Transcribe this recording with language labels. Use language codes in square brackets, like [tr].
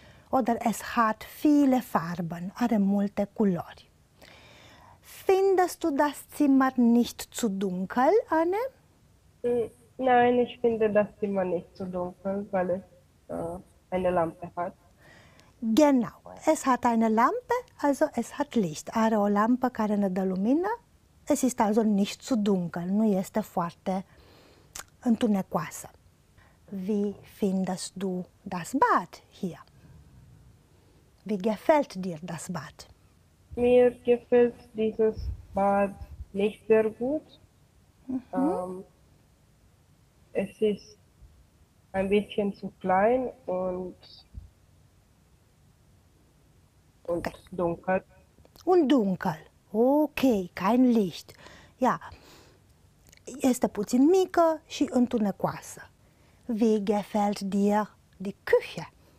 [de] Oder es hat viele Farben, oder [ro] multe Colori. [de] Findest du das Zimmer nicht zu dunkel, Anne? Nein, ich finde das Zimmer nicht zu dunkel, weil es eine Lampe hat. Genau, es hat eine Lampe, also es hat Licht. [ro] Are o lampă care ne dă lumină. [de] Es ist also nicht zu dunkel, [ro] nu este foarte întunecoasă. [de] Wie findest du das Bad hier? Wie gefällt dir das Bad? Mir gefällt dieses Bad nicht sehr gut. Es ist ein bisschen zu klein und dunkel. Und dunkel. Okay, kein Licht. Ja. [ro] Este puțin mică și întunecoasă. [de] Wie gefällt dir die Küche?